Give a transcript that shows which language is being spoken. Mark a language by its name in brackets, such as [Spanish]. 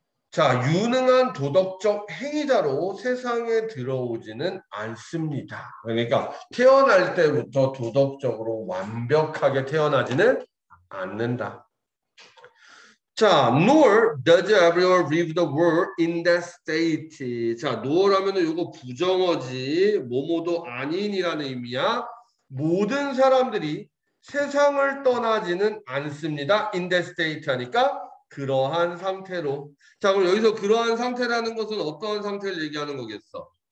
[Korean] 자, 유능한 도덕적 행위자로 세상에 들어오지는 않습니다. 그러니까 태어날 때부터 도덕적으로 완벽하게 태어나지는 않는다. [English] 자, nor does everyone leave the world in that state. [Korean] 자, nor 하면은 이거 부정어지, 뭐뭐도 아닌이라는 의미야. 모든 사람들이 세상을 떠나지는 않습니다. [English] in that state [Korean] 하니까 그러한 상태로. 자, 그럼 여기서 그러한 상태라는 것은 어떤 상태를 얘기하는 거겠어?